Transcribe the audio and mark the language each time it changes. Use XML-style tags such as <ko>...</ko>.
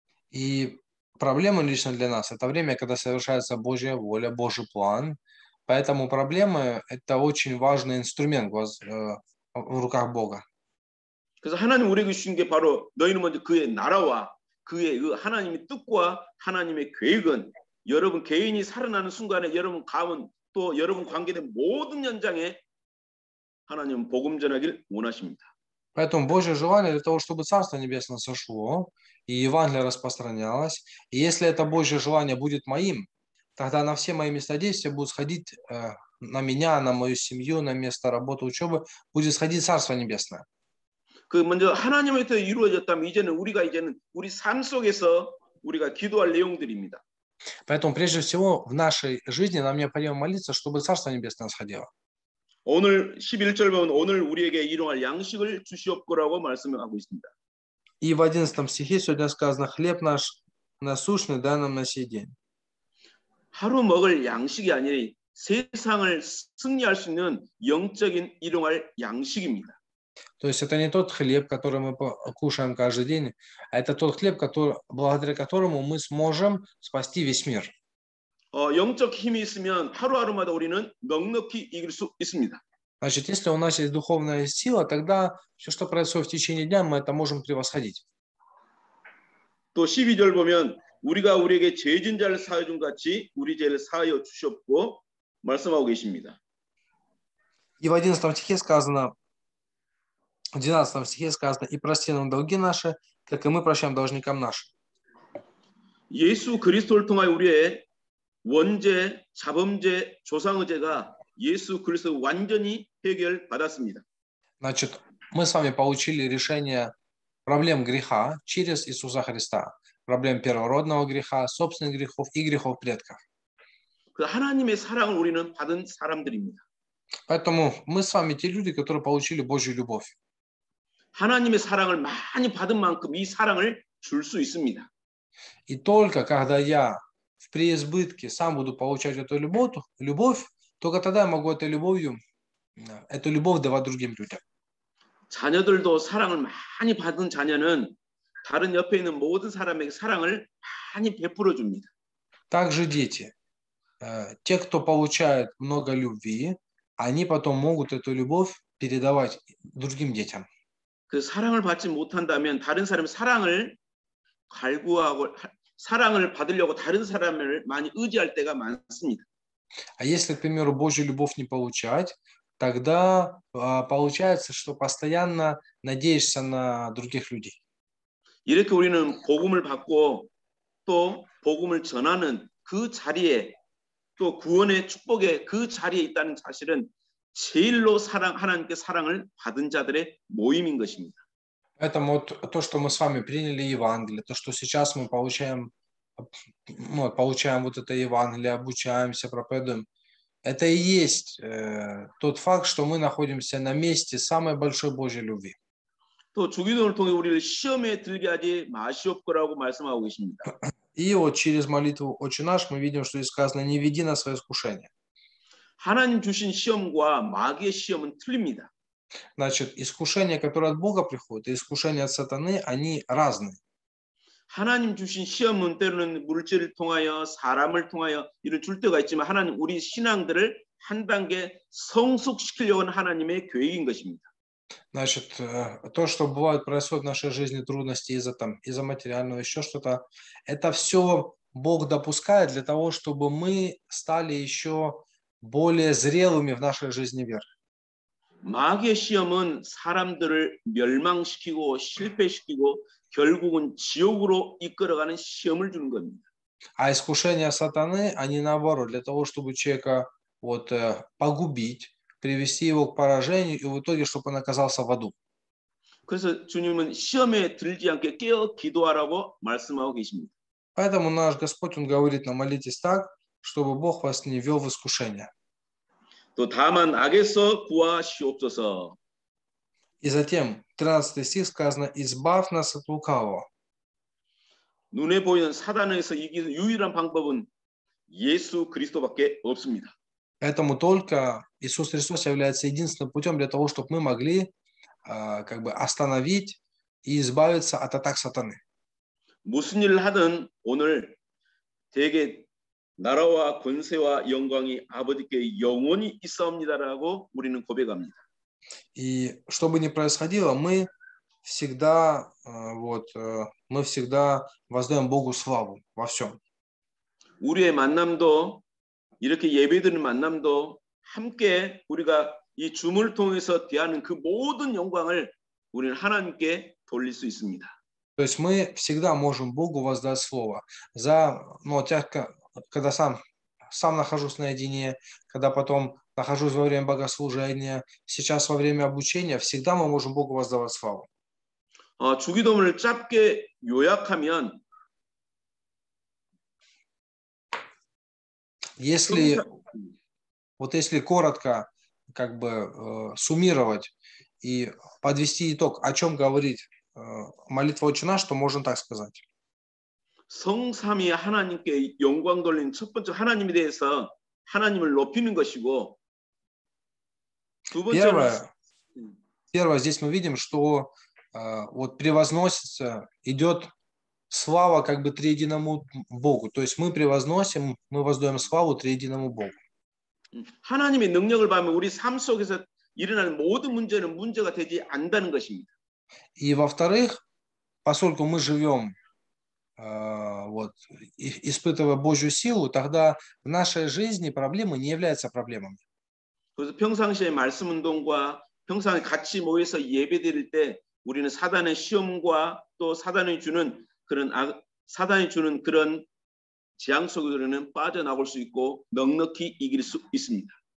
<ru>И проблемы лично для нас это время, когда совершается Божья воля, Божий план. Поэтому проблемы это очень важный инструмент в руках Бога.</ru> <ko>그래서 하나님 우리에게 주신 게 바로 너희는 먼저 그의 나라와 그의 그 하나님의 뜻과 하나님의 계획은 여러분 개인이 살아나는 순간에 여러분 가문 또 여러분 관계된 모든 현장에 하나님 복음 전하길 원하십니다.</ko> <ru>Поэтому Божье желание для того, чтобы Царство Небесное сошло и Евангелие распространялось. И если это Божье желание будет моим, тогда на все мои места действия будет сходить на меня, на мою семью, на место работы, учебы, будет сходить Царство Небесное.</ru> <ko>그 먼저 하나님한테 이루어졌다면 이제는 우리가 이제는 우리 삶 속에서 우리가 기도할 내용들입니다.</ko> <ru>Поэтому прежде всего в нашей жизни нам необходимо молиться, чтобы Царство Небесное сходило.</ru> <ko>오늘 11절 보면 오늘 우리에게 일용할 양식을 주시옵거라고 말씀하고 있습니다.</ko> <ru>И в 11 стихе сегодня сказано: хлеб наш насущный дай нам на сей день.</ru> <ko>하루 먹을 양식이 아니니 세상을 승리할 수 있는 영적인 일용할 양식입니다.</ko> <ru>То есть это не тот хлеб, который мы кушаем каждый день, а это тот хлеб, который, благодаря которому мы сможем спасти весь мир.</ru> <ko>영적 힘이 있으면 하루하루마다 우리는 넉넉히 이길 수 있습니다.</ko> <ru>Значит, если у нас есть духовная сила, тогда все, что происходит в течение дня, мы это можем превосходить.</ru> <ko>또 12절 보면 우리가 우리에게 죄진 자를 사하여 준 같이 우리 죄를 사하여 주셨고 말씀하고 계십니다.</ko> <ru>И в 11 стихе сказано, в 12 стихе сказано, и прости нам долги наши, как и мы прощаем должникам нашим.</ru> <ko>예수 그리스도를 통하여 우리의 원죄, 자범죄, 조상의죄가 예수 그리스도 완전히 해결받았습니다.</ko> <ru>Значит, мы с вами получили решение проблем греха через Иисуса Христа. Проблем первородного греха, собственных грехов и грехов предков.</ru> <ko>그 하나님의 사랑을 우리는 받은 사람들입니다.</ko> <ru>Поэтому мы с вами те люди, которые получили Божью любовь.</ru> <ko>하나님의 사랑을 많이 받은 만큼 이 사랑을 줄 수 있습니다.</ko> <ru>И только когда я в преизбытке сам буду получать эту любовь, только тогда я могу эту любовь давать другим людям.</ru> <ko>자녀들도 사랑을 많이 받은 자녀는 다른 옆에 있는 모든 사람에게 사랑을 많이 베풀어 줍니다.</ko> <ru>Также дети, те, кто получает много любви, они потом могут эту любовь передавать другим детям.</ru> <ko>그 사랑을 받지 못한다면 다른 사람의 사랑을 갈구하고 사랑을 받으려고 다른 사람을 많이 의지할 때가 많습니다.</ko> <ru>А если, к примеру, Божью любовь не получать, тогда получается, что постоянно надеешься на других людей.</ru> <ko>이렇게 우리는 복음을 받고 또 복음을 전하는 그 자리에 또 구원의 축복의 그 자리에 있다는 사실은 제일로 사랑 하나님께 사랑을 받은 자들의 모임인 것입니다.</ko> <ru>Поэтому вот то, что мы с вами приняли Евангелие, то, что сейчас мы получаем вот это Евангелие, обучаемся, проповедуем, это и есть тот факт, что мы находимся на месте самой большой Божьей любви.</ru> <ko>또 주기도를 통해 우리를 시험에 들게 하지 마시옵거라고 말씀하고 계십니다.</ko> <ru>И вот через молитву Отче наш мы видим, что здесь сказано: не веди нас в искушение.</ru> <ko>하나님 주신 시험과 마귀의 시험은 틀립니다.</ko> <ru>Значит, искушения, которые от Бога приходят, и искушения от сатаны, они разные.</ru> <ko>하나님 주신 시험은 때로는 물질을 통하여, 사람을 통하여 이를 줄 때가 있지만 하나님 우리 신앙들을 한 단계 성숙시키려는 하나님의 계획인 것입니다.</ko> <ru>Значит, то, что бывает, происходит в нашей жизни трудности из-за материального, еще что-то, это все Бог допускает для того, чтобы мы стали еще более зрелыми в нашей жизни веры.</ru> <ko>마귀의 시험은 사람들을 멸망시키고 실패시키고 결국은 지옥으로 이끌어가는 시험을 주는 겁니다.</ko> <ru>А искушения сатаны, они наоборот, для того, чтобы человека вот погубить, привести его к поражению и в итоге, чтобы он оказался в аду.</ru> <ko>그래서 주님은 시험에 들지 않게 깨어 기도하라고 말씀하고 계십니다.</ko> <ru>Поэтому наш Господь он говорит нам молитесь так, чтобы Бог вас не ввёл в искушение.</ru> <ko>또 다만 악에서 구하시옵소서.</ko> <ru>И затем 13 стих сказано: "Избавь нас от лукавого".</ru> <ko>눈에 보이는 사단에서 이기는 유일한 방법은 예수 그리스도밖에 없습니다.</ko> <ru>Поэтому только Иисус Христос является единственным путём для того, чтобы мы могли как бы остановить и избавиться от атак сатаны.</ru> <ko>무슨 일을 하든 오늘 되게 나라와 권세와 영광이 아버지께 영원히 있사옵니다라고 우리는 고백합니다.</ko> <ru>И что бы ни происходило, мы всегда вот мы всегда воздаем Богу славу во всём.</ru> <ko>우리의 만남도 이렇게 예배드리는 만남도 함께 우리가 이 줌을 통해서 대하는 그 모든 영광을 우리는 하나님께 돌릴 수 있습니다.</ko> <ru>То есть мы всегда можем Богу воздать слово за ну тяжко когда сам нахожусь наедине, когда потом нахожусь во время богослужения, сейчас во время обучения, всегда мы можем Богу воздавать славу.</ru> <ko>주기도문을 짧게 요약하면</ko> <ru>если вот если коротко как бы суммировать и подвести итог, о чем говорить молитва Отче наш, то можно так сказать.</ru> <ko>성삼위 하나님께 영광 돌린 첫 번째 하나님에 대해서 하나님을 높이는 것이고 두 번째는</ko> <ru>первое здесь мы видим, что вот превозносится идёт слава как бы триединому Богу. То есть мы превозносим, мы воздаём славу триединому Богу.</ru> <ko>하나님의 능력을 보면 우리 삶 속에서 일어나는 모든 문제는 문제가 되지 않다는 것입니다.</ko> <ru>И во-вторых, поскольку мы живём вот испытывая Божью силу, тогда в нашей жизни проблемы не являются проблемами.</ru> <ko>그래서 평상시에 말씀 운동과 평상에 같이 모여서 예배드릴 때 우리는 사단의 시험과 또 사단이 주는 그런 사단이 주는 그런 재앙 속에서는 빠져나올 수 있고 넉넉히 이길 수 있습니다.</ko>